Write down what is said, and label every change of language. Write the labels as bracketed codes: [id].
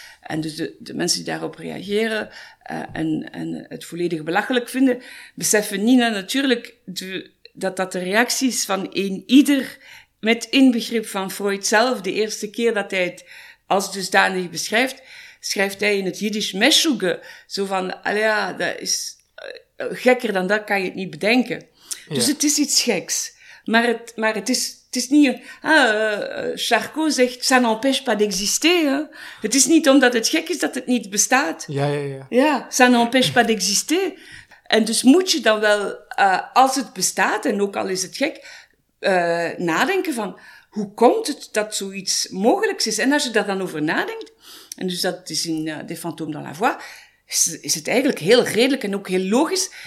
[nl] En dus de mensen die daarop reageren en het volledig belachelijk vinden, beseffen niet natuurlijk dat de reacties van een ieder, met inbegrip van Freud zelf, de eerste keer dat hij het als dusdanig beschrijft, schrijft hij in het Jiddisch meshuge, zo van, dat is gekker dan dat, kan je het niet bedenken. Ja. Dus het is iets geks. Maar het is niet, Charcot zegt, [fr] ça n'empêche pas d'exister. Hein? [nl] Het is niet omdat het gek is dat het niet bestaat. Ja, ja, ja. [fr] Ja, ça n'empêche pas d'exister. [nl] En dus moet je dan wel, als het bestaat, en ook al is het gek, nadenken van, hoe komt het dat zoiets mogelijk is? En als je daar dan over nadenkt, en dus dat is in Des Fantômes dans la Voix, is het eigenlijk heel redelijk en ook heel logisch.